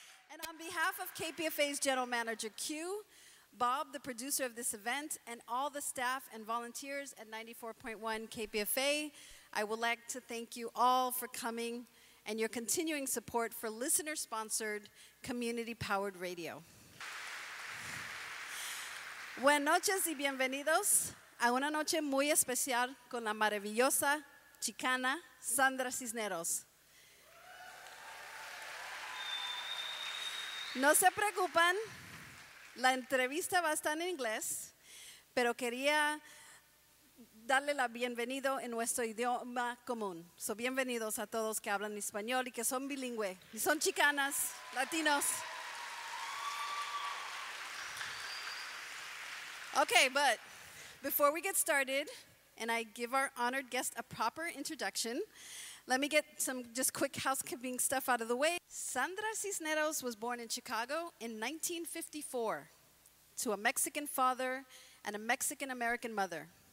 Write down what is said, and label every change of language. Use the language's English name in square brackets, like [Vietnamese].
[English] And on behalf of KPFA's general manager, Q, Bob, the producer of this event, and all the staff and volunteers at 94.1 KPFA, I would like to thank you all for coming and your continuing support for listener-sponsored, community-powered radio. [Spanish] Buenas noches y bienvenidos a una noche muy especial con la maravillosa chicana Sandra Cisneros. No se preocupen, la entrevista va a estar en inglés, pero quería darle la bienvenida en nuestro idioma común. So bienvenidos a todos que hablan español y que son bilingüe, y son chicanas, latinos. [English] Okay, but before we get started and I give our honored guest a proper introduction, let me get some just quick housekeeping stuff out of the way. Sandra Cisneros was born in Chicago in 1954 to a Mexican father and a Mexican-American mother.